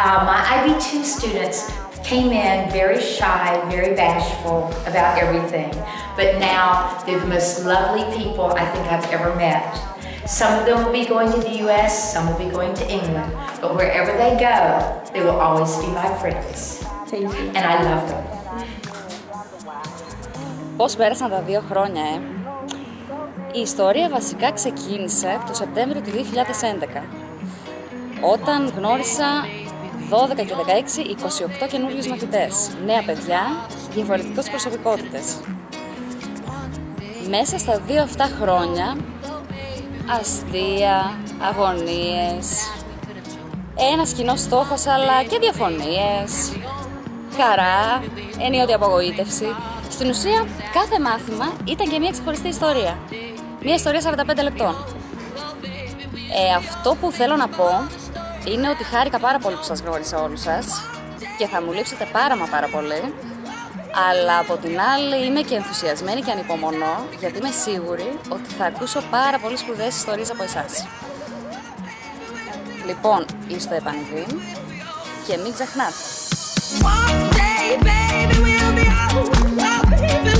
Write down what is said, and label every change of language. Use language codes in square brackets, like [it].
[en] My IB2 students came in very shy, very bashful about everything, but now they're the most lovely people I think I've ever met. Some of them will be going to the US, some will be going to England, but wherever they go, they will always be my friends. Thank you. And I love them. [el] Πώς πέρασαν τα 2 χρόνια, Η ιστορία βασικά ξεκίνησε το Σεπτέμβριο του 2011, όταν γνώρισα 12 και 16, 28 καινούριους μαθητές, νέα παιδιά, διαφορετικές προσωπικότητες. Μέσα στα 2 αυτά χρόνια, αστεία, αγωνίες, ένας κοινός στόχος αλλά και διαφωνίες, χαρά, ενίοτε απογοήτευση. Στην ουσία, κάθε μάθημα ήταν και μια ξεχωριστή ιστορία. Μια ιστορία 45 λεπτών. Αυτό που θέλω να πω είναι ότι χάρηκα πάρα πολύ που σας γνώρισα όλους σας και θα μου λείψετε πάρα πολύ. Αλλά από την άλλη είμαι και ενθουσιασμένη και ανυπομονώ, γιατί είμαι σίγουρη ότι θα ακούσω πάρα πολύ σπουδαίες ιστορίες από εσάς. Λοιπόν, είστε επανειδή και μην ξεχνάτε. [en] One day, baby, we'll be out. Oh, baby.